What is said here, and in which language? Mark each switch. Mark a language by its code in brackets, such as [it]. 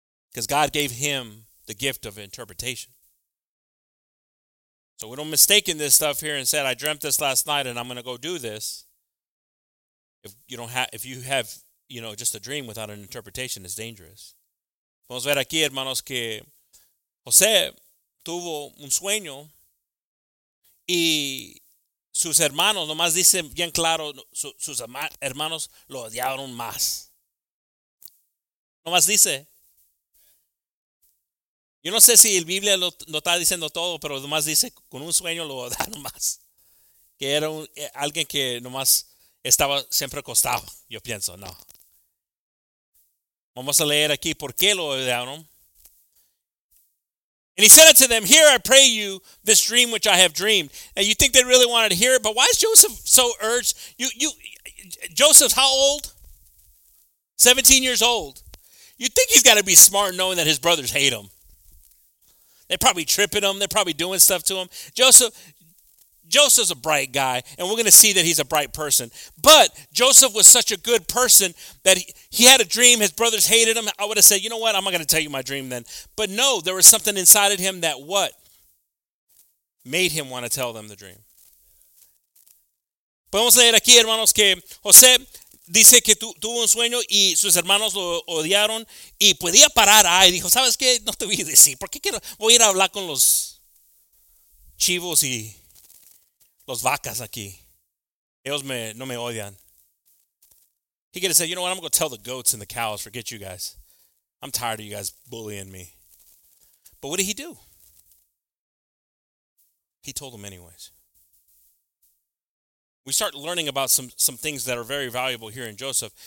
[en] Because God gave him the gift of interpretation. So we don't mistake in this stuff here and said, I dreamt this last night and I'm going to go do this. If you have just a dream without an interpretation, it's dangerous. [es] Vamos a ver aquí, hermanos, que José tuvo un sueño y sus hermanos, nomás dicen bien claro, sus hermanos lo odiaron más. Nomás dice. Yo no sé si la Biblia lo está diciendo todo, pero nomás dice, con un sueño lo odiaron más. Que era alguien que nomás estaba siempre acostado, yo pienso, no. Vamos a leer aquí por qué lo odiaron. [en] And he said unto them, hear, I pray you, this dream which I have dreamed. And you think they really wanted to hear it, but why is Joseph so urged? Joseph's how old? 17 years old. You think he's got to be smart knowing that his brothers hate him. They're probably tripping him. They're probably doing stuff to him. Joseph's a bright guy, and we're going to see that he's a bright person. But Joseph was such a good person that he had a dream. His brothers hated him. I would have said, you know what? I'm not going to tell you my dream then. But no, there was something inside of him that what? Made him want to tell them the dream. [es] Podemos leer aquí, hermanos, que José dice que tuvo un sueño y sus hermanos lo odiaron. Y podía parar ahí. Dijo, ¿sabes qué? No te voy a decir. ¿Por qué quiero? Voy a ir a hablar con los chivos y los vacas aquí. Ellos no me odian. [en] He could have said, you know what? I'm going to tell the goats and the cows. Forget you guys. I'm tired of you guys bullying me. But what did he do? He told them anyways. We start learning about some things that are very valuable here in Joseph.